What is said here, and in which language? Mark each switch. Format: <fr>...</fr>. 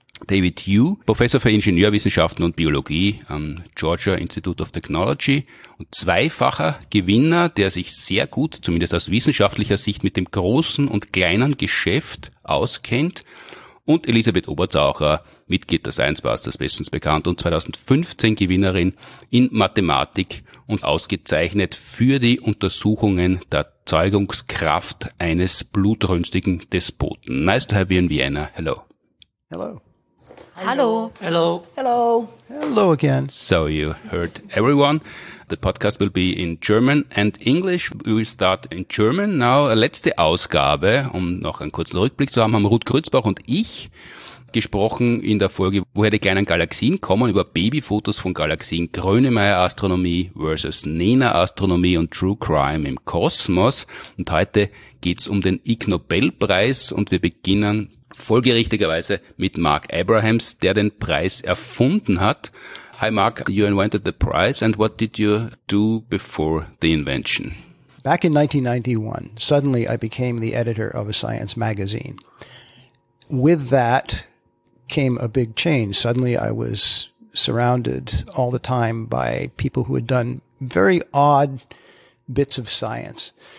<de>David Hugh, Professor für Ingenieurwissenschaften und Biologie am Georgia Institute of Technology und zweifacher Gewinner, der sich sehr gut, zumindest aus wissenschaftlicher Sicht, mit dem großen und kleinen Geschäft auskennt. Und Elisabeth Oberzaucher, Mitglied der Science Busters, bestens bekannt und 2015 Gewinnerin in Mathematik und ausgezeichnet für die Untersuchungen der Zeugungskraft eines blutrünstigen Despoten.</de> <en>Nice to have you in Vienna. Hello. Hello. Hello. Hello. Hello. Hello again. So you heard everyone. The podcast will be in German and English. We will start in German now.</en> <de>Letzte Ausgabe, um noch einen kurzen Rückblick zu haben, haben Ruth Grützbach und ich gesprochen in der Folge, woher die kleinen Galaxien kommen, über Babyfotos von Galaxien, Grönemeyer-Astronomie versus Nena-Astronomie und True Crime im Kosmos. Und heute geht's um den Ig Nobel-Preis und wir beginnen folgerichtigerweise mit Mark Abrahams, der den Preis erfunden hat.</de> <en>Hi Mark, you invented the prize and what did you do before the invention? Back in 1991, suddenly I became the editor of a science magazine. With that came a big change. Suddenly I was surrounded all the time by people who had done very odd bits of science.</en>